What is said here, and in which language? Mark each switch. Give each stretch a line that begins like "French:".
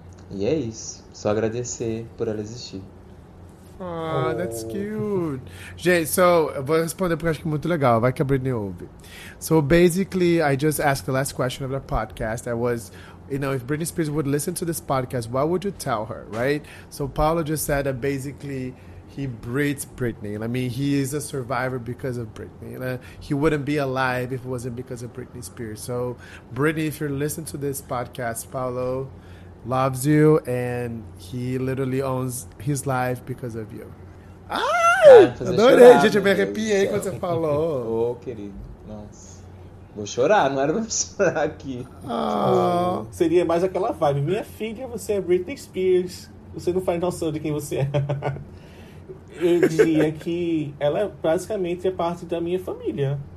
Portuguese: E é isso. Só agradecer por ela existir.
English: Ah, that's cute.
Portuguese: Gente, so, eu vou responder porque acho que é muito legal. Vai que a Britney ouve.
English: So, basically, I just asked the last question of the podcast. That was... You know, if Britney Spears would listen to this podcast, what would you tell her, right? So Paulo just said that basically he breeds Britney. I mean, he is a survivor because of Britney. He wouldn't be alive if it wasn't because of Britney Spears. So Britney, if you're listening to this podcast, Paulo loves you and he literally owns his life because of you. Ah!
Portuguese: Adorei, gente, eu me arrepiei quando você falou. Oh, querido, nossa. Vou chorar, não era pra chorar aqui. Seria mais aquela vibe. Minha filha, você é Britney Spears. Você não faz noção de quem você é. Eu diria que ela basicamente é parte da minha família.